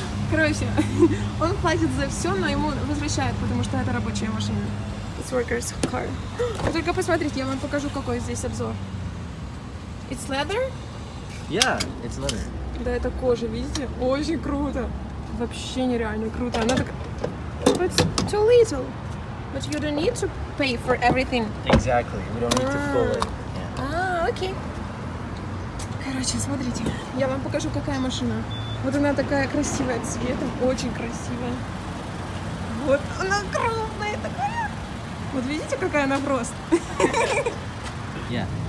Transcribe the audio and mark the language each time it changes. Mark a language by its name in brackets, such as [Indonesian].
[Russian] Короче, он платит за все, но ему возвращают, потому что это рабочая машина. [English] It's worker's car. [Russian] Только посмотрите, я вам покажу, какой здесь обзор. [English] It's leather? Yeah, it's leather. [Russian] Да, это кожа, видите? Очень круто. Вообще нереально круто. [English] Она так... But too little. But you don't need to pay for everything. Exactly. We don't need to fill it. Yeah. Okay. [Russian] Короче, смотрите, я вам покажу, какая машина. Вот она такая красивая цветом, очень красивая. Вот она крупная такая. Вот видите, какая она просто? [English] Yeah.